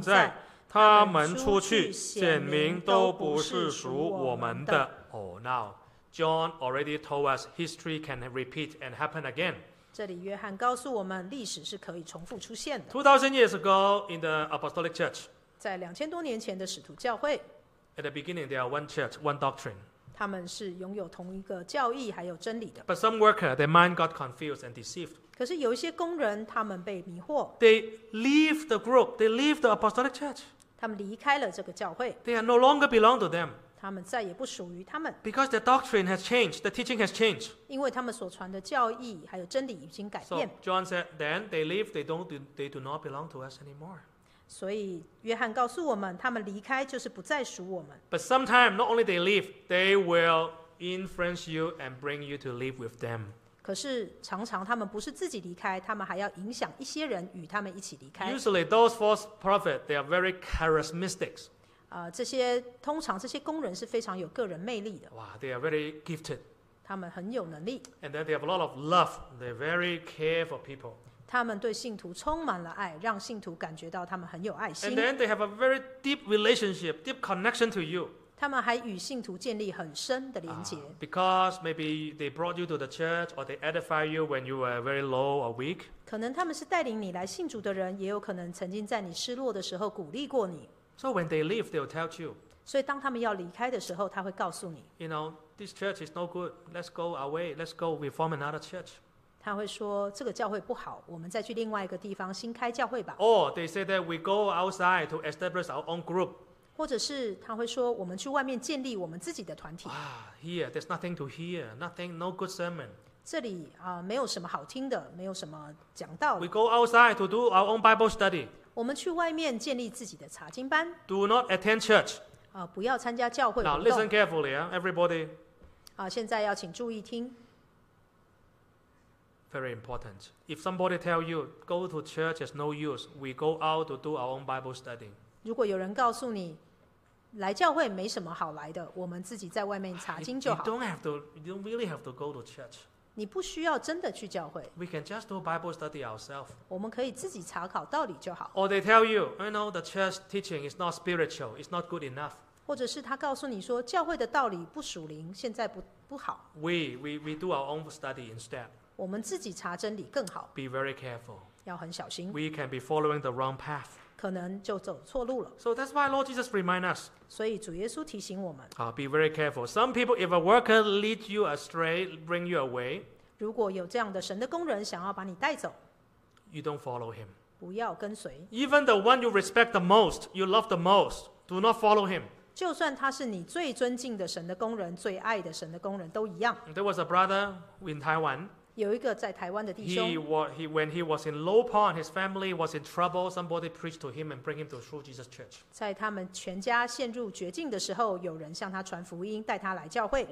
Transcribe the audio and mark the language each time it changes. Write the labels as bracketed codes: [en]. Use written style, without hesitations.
[zh] 在。他们出去，显明都不是属我们的。 [en] Oh, now John already told us history can repeat and happen again. [zh] 这里约翰告诉我们，历史是可以重复出现的。 [en] 2000 years ago in the apostolic church. [zh] 在2000多年前的使徒教会。 [en] At the beginning, there are one church, one doctrine. [zh] 他们是拥有同一个教义还有真理的。 [en] But some worker, their mind got confused and deceived. [zh] 可是有一些工人，他们被迷惑。 [en] They leave the group. They leave the apostolic church. [zh] 他们离开了这个教会。 [en] They are no longer belong to them. [zh] 他们再也不属于他们。 [en] Because the doctrine has changed, the teaching has changed. [zh] 因为他们所传的教义还有真理已经改变。 [en] So John said, then they leave. They do not belong to us anymore. [zh] 所以约翰告诉我们，他们离开就是不再属我们。 [en] But sometimes not only they leave, they will influence you and bring you to live with them. [zh] 可是常常他们不是自己离开，他们还要影响一些人与他们一起离开。 [en] Usually those false prophets, they are very charismatic. [zh] 这些通常这些工人是非常有个人魅力的。 [en] 哇 ，they are very gifted. [zh] 他们很有能力。 [en] And then they have a lot of love. They very care for people. [zh] 他们对信徒充满了爱，让信徒感觉到他们很有爱心。 [en] And then they have a very deep relationship, deep connection to you. [zh] 他们还与信徒建立很深的连结。 [en] Because maybe they brought you to the church or they edify you when you were very low or weak. [zh] 可能他们是带领你来信主的人，也有可能曾经在你失落的时候鼓励过你。 [en] So when they leave, they'll tell you. [zh] 所以当他们要离开的时候，他会告诉你。 [en] You know, this church is no good. Let's go our way. Let's go reform another church. [zh] 他会说这个教会不好，我们再去另外一个地方新开教会吧。 [en] Or they say that we go outside to establish our own group. [zh] 或者是他会说我们去外面建立我们自己的团体。 [en] Here, there's nothing to hear, nothing, no good sermon. [zh] 这里没有什么好听的，没有什么讲道。 [en] We go outside to do our own Bible study. [zh] 我们去外面建立自己的查经班。 [en] Do not attend church. [zh] 不要参加教会活动。 [en] Now listen carefully, everybody. [zh] 现在要请注意听。 [en] Very important. If somebody tell you go to church is no use, we go out to do our own Bible study. [zh] 如果有人告诉你来教会没什么好来的，我们自己在外面查经就好。 [en] You don't have to. You don't really have to go to church. [zh] 你不需要真的去教会。 [en] We can just do Bible study ourselves. [zh] 我们可以自己查考道理就好。 [en] Or they tell you, you know, the church teaching is not spiritual. It's not good enough. [zh] 或者是他告诉你说教会的道理不属灵，现在不好。 [en] We do our own study instead. [zh] 我们自己查真理更好。 [en] Be very careful. [zh] 要很小心。 [en] We can be following the wrong path. [zh] 可能就走错路了。 [en] So that's why Lord Jesus reminds us. [zh] 所以主耶稣提醒我们。 [en] Be very careful. Some people, if a worker leads you astray, bring you away. [zh] 如果有这样的神的工人想要把你带走。 [en] You don't follow him. [zh] 不要跟随。 [en] Even the one you respect the most, you love the most, do not follow him. [zh] 就算他是你最尊敬的神的工人，最爱的神的工人都一样。 [en] There was a brother in Taiwan. [zh] 有一个在台湾的弟兄。 [en] When he was in low point, his family was in trouble. Somebody preached to him and bring him to True Jesus Church. [zh] 在他们全家陷入绝境的时候，有人向他传福音，带他来教会。